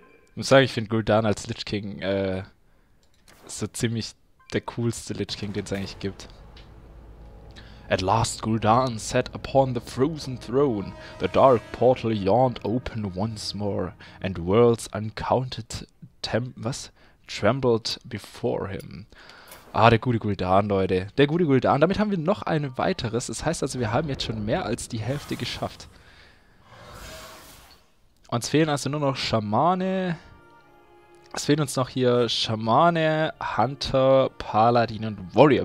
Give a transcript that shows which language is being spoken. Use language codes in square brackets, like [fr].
[de] Ich muss sagen, ich finde Gul'dan als Lich King so ziemlich der coolste Lich King, den es eigentlich gibt. [en] At last Gul'dan sat upon the frozen throne, the dark portal yawned open once more, and worlds uncounted trembled before him. [de] Ah, der gute Gul'dan, Leute. Der gute Gul'dan. Damit haben wir noch ein weiteres. Das heißt also, wir haben jetzt schon mehr als die Hälfte geschafft. Uns fehlen also nur noch Schamane. Es fehlen uns noch hier Schamane, Hunter, Paladin und Warrior.